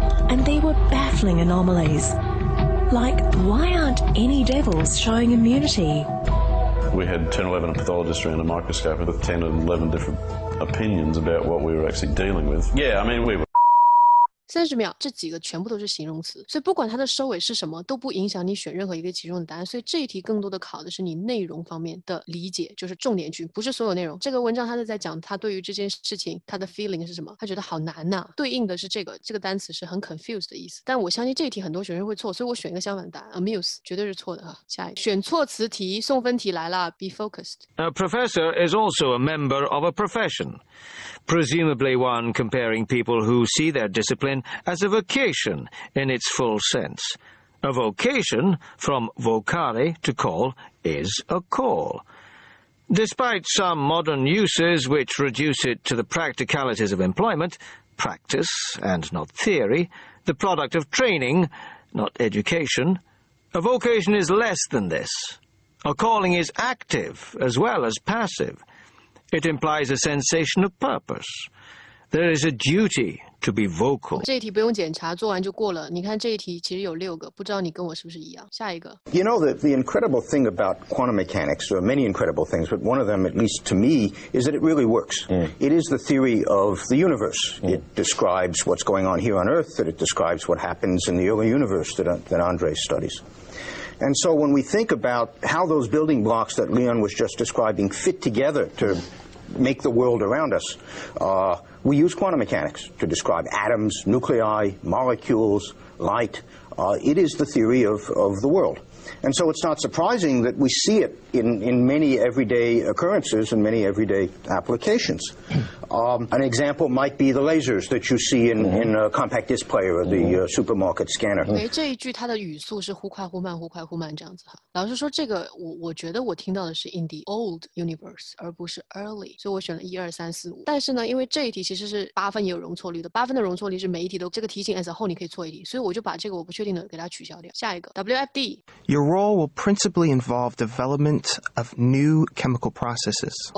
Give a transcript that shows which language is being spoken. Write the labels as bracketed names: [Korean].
[English] And there were baffling anomalies. Like, why aren't any devils showing immunity? We had 10 or 11 pathologists around a microscope with 10 or 11 different opinions about what we were actually dealing with. Yeah, I mean, we were [Chinese] 三十秒，这几个全部都是形容词，所以不管它的收尾是什么，都不影响你选任何一个其中的答案。所以这一题更多的考的是你内容方面的理解，就是重点句，不是所有内容。这个文章他是在讲他对于这件事情他的 feeling 是什么，他觉得好难呐、啊。对应的是这个单词是很 confused 的意思。但我相信这一题很多学生会错，所以我选一个相反的答案 ，amuse 绝对是错的啊。下一个选错词题，送分题来了 ，be focused。 [English] A professor is also a member of a profession, presumably one comparing people who see their discipline. As a vocation in its full sense. A vocation, from vocare, to call, is a call. Despite some modern uses which reduce it to the practicalities of employment, practice and not theory, the product of training, not education, a vocation is less than this. A calling is active as well as passive. It implies a sensation of purpose. There is a duty to be vocal. [Chinese] 这一题不用检查，做完就过了。你看这一题其实有六个，不知道你跟我是不是一样。下一个。 [English] You know the incredible thing about quantum mechanics, there are many incredible things, but one of them, at least to me, is that it really works.、Mm. It is the theory of the universe.、Mm. It describes what's going on here on Earth, that it describes what happens in the early universe that Andre studies. And so when we think about how those building blocks that Leon was just describing fit together to make the world around us,、We use quantum mechanics to describe atoms, nuclei, molecules, light. It is the theory of the world. And so it's not surprising that we see it in many everyday occurrences and many everyday applications. An example might be the lasers that you see in a compact disc player or the supermarket scanner. [Chinese] 哎，这一句它的语速是忽快忽慢，忽快忽慢这样子哈。老师说这个我觉得我听到的是 [English] in the old universe [Chinese] 而不是 early， 所以我选了一二三四五。但是呢，因为这一题其实是八分也有容错率的，八分的容错率是每一题都这个题型 [English] as a whole [Chinese] 你可以错一题，所以我就把这个我不确定的给它取消掉。下一个 WFD。 [English] Your role will principally involve development of new chemical processes.